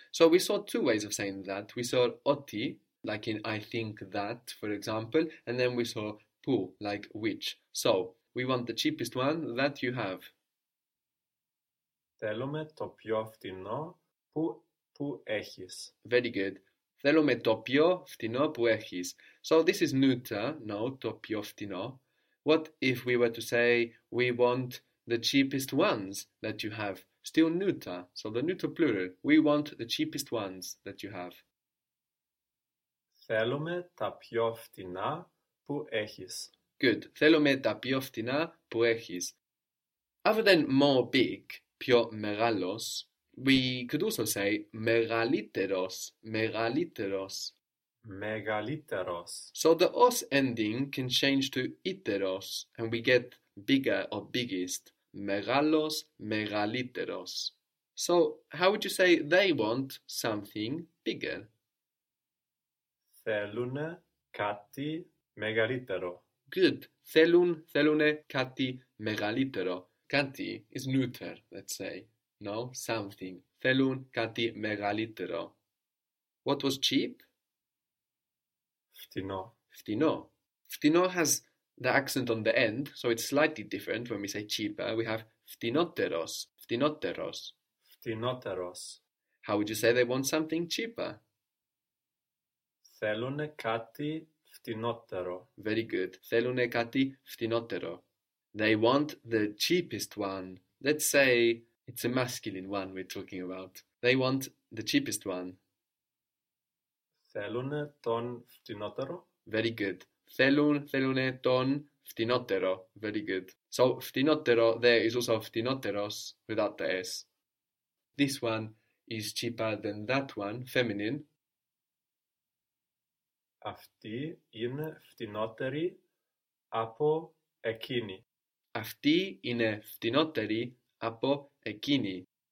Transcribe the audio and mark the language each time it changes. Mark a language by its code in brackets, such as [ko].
[en] So, we saw two ways of saying that. We saw ότι, like in I think that, for example, and then we saw που, like which. So, we want the cheapest one that you have. [el] Θέλουμε το πιο φτηνό που έχεις. [en] Very good. [el] Θέλουμε το πιο φτηνό που έχεις. [en] So, this is neuter, no, [el] το πιο φτηνό. [en] What if we were to say, we want the cheapest ones that you have? Still neuter, so the neuter plural. We want the cheapest ones that you have. [el] Θέλουμε τα πιο φτηνά που έχεις. [en] Good. [el] Θέλουμε τα πιο φτηνά που έχεις. [en] Other than more big, [el] πιο μεγάλος, [en] we could also say μεγαλύτερος, μεγαλύτερος. [el] Μεγαλύτερος. [en] So the os ending can change to ύτερος and we get bigger or biggest. [el] Μεγάλος, μεγαλύτερος. [en] So how would you say they want something bigger? [el] Θέλουν κάτι μεγαλύτερο. [en] Good. [el] Θέλουνε κάτι μεγαλύτερο. [en] Κάτι is neuter, let's say. No, something. [el] Θέλουν κάτι μεγαλύτερο. [en] What was cheap? [el] Φτηνό. Φτηνό. [en] Φτηνό has the accent on the end, so it's slightly different when we say cheaper. We have [el] φτηνότερος. Φτηνότερος. Φτηνότερος. [en] How would you say they want something cheaper? [el] Θέλουνε κάτι φτηνότερο. [en] Very good. [el] Θέλουνε κάτι φτηνότερο. [en] They want the cheapest one. Let's say it's a masculine one we're talking about. They want the cheapest one. [el] Θέλουνε τον φτηνότερο. [en] Very good. [el] Θέλουνε τον φτηνότερο. [en] Very good. So φτηνότερο there is also φτηνότερος without the S. This one is cheaper than that one, feminine. [el] Αυτή είναι φτηνότερη από εκείνη. Αυτή είναι φτηνότερη από εκείνη.